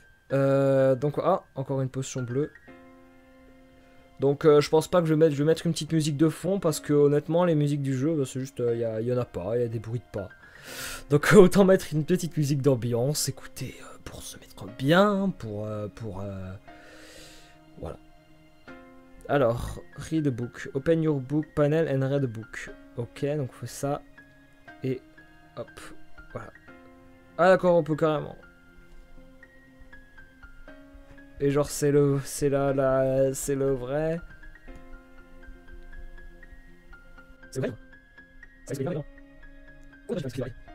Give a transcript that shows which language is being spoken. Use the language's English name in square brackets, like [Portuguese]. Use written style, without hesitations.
[French] Donc, ah, encore une potion bleue. Donc, je pense pas que je vais mettre une petite musique de fond parce que, honnêtement, les musiques du jeu, c'est juste, il y en a pas, il y a des bruits de pas. Donc, autant mettre une petite musique d'ambiance, écoutez, pour se mettre bien, pour Voilà. Alors, [English] read a book. Open your book panel and read a book. [French] Ok, donc on fait ça. Et hop, voilà. Ah d'accord, on peut carrément. Et genre c'est là là c'est le vrai. C'est vrai? C'est bien, non? Quoi, je vais m'inspirer?